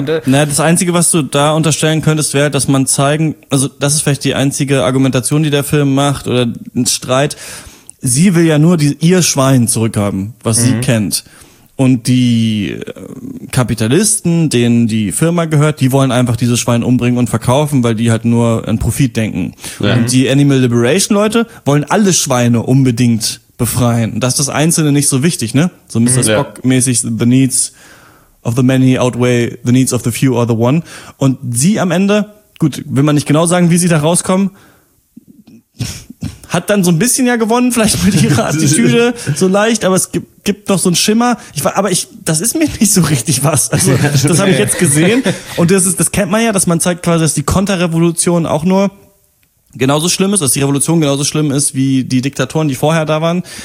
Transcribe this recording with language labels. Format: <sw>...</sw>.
<de>Das Einzige, was du da unterstellen könntest, wäre, dass man zeigen, also das ist vielleicht die einzige Argumentation, die der Film macht oder ein Streit. Sie will ja nur ihr Schwein zurückhaben, was sie kennt. Und die Kapitalisten, denen die Firma gehört, die wollen einfach dieses Schwein umbringen und verkaufen, weil die halt nur an Profit denken. Ja. Und die Animal Liberation Leute wollen alle Schweine unbedingt befreien. Und das ist das Einzelne nicht so wichtig, ne? So Mr. Ja.</de> <en>Spock-mäßig, the needs of the many outweigh the needs of the few or the one.</en> <de>Und sie am Ende, gut, will man nicht genau sagen, wie sie da rauskommen, hat dann so ein bisschen ja gewonnen, vielleicht mit ihrer Attitüde, so leicht, aber es gibt noch so einen Schimmer. Das ist mir nicht so richtig was. Also, das habe ich jetzt gesehen. Und das kennt man ja, dass man zeigt quasi, dass die Konterrevolution auch nur genauso schlimm ist, dass die Revolution genauso schlimm ist wie die Diktatoren, die vorher da waren.</de>